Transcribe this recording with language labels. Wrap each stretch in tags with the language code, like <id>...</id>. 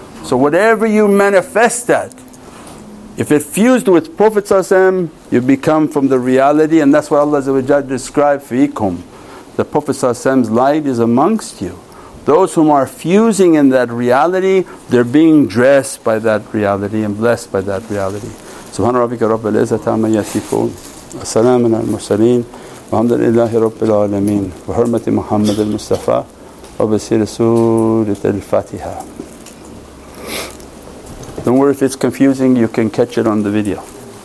<en>So whatever you manifest at, if it fused with Prophet ﷺ, you become from the reality, and that's what Allah described, fiikum, the Prophet ﷺ's light is amongst you. Those whom are fusing in that reality, they're being dressed by that reality and blessed by that reality.</en> <ar>سبحان ربك رب العزة عما يصفون السلام على المرسلين والحمد لله رب العالمين وحرمة محمد المصطفى وبسير سورة الفاتحة.</ar> <en>Don't worry if it's confusing, you can catch it on the video.</en>